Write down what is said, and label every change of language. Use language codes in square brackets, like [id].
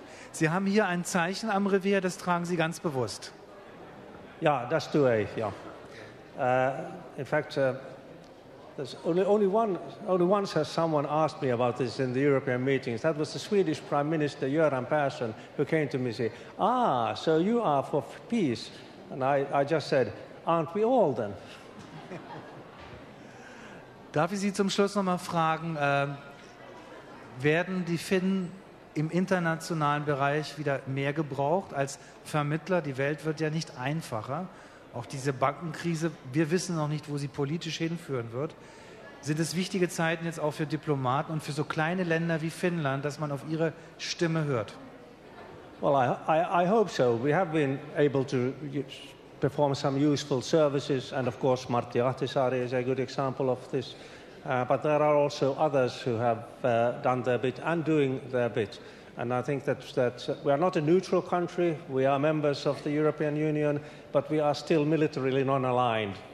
[de] Sie haben hier ein Zeichen am Revier, das tragen Sie ganz bewusst. Ja, das tue ich, ja. [en] In fact, there's only once has someone asked me about this in the European meetings. That was the Swedish Prime Minister Göran Persson, who came to me and said, "Ah, so you are for peace." And I just said, "Aren't we all then?" [de] Darf ich Sie zum Schluss noch mal fragen, werden die Finnen im internationalen Bereich wieder mehr gebraucht als Vermittler? Die Welt wird ja nicht einfacher. Auch diese Bankenkrise, wir wissen noch nicht, wo sie politisch hinführen wird. Sind es wichtige Zeiten jetzt auch für Diplomaten und für so kleine Länder wie Finnland, dass man auf ihre Stimme hört? [en] Well, I hope so. We have been able to perform some useful services, and of course Martti Ahtisaari is a good example of this, but there are also others who have done their bit and doing their bit, and I think that we are not a neutral country, we are members of the European Union, but we are still militarily non-aligned.